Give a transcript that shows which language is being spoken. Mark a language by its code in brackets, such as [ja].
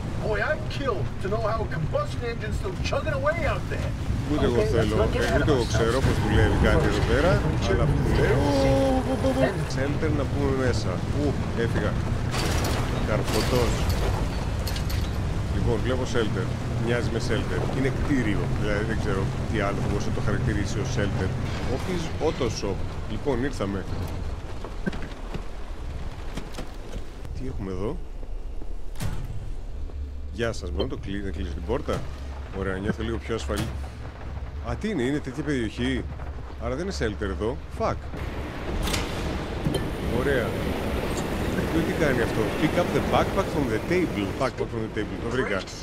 [en] Boy, I'm killed to know how a combustion engine's still chugging away out there. [el] Ούτε εγώ θέλω, ούτε εγώ ξέρω πως δουλεύει κάτι εδώ πέρα, αλλά πλέον... Center να πούμε μέσα. Ου, έφυγα. Καρφωτός. Λοιπόν, βλέπω shelter. Μοιάζει με shelter. Είναι κτίριο, δηλαδή δεν ξέρω τι άλλο μπορείς να το χαρακτηρίσει ως shelter. Office auto shop. Λοιπόν, ήρθαμε. Τι έχουμε εδώ. Γεια σας, μπορώ να το κλείσω, να κλείσω την πόρτα. Ωραία, νιώθω λίγο πιο ασφαλή. Α, τι είναι, είναι τέτοια περιοχή. Άρα δεν είναι shelter εδώ. [en] Fuck. [el] Ωραία. Εκεί τι κάνει αυτό. [en] Pick up the backpack from the table. Backpack from the table, [el] το βρήκα.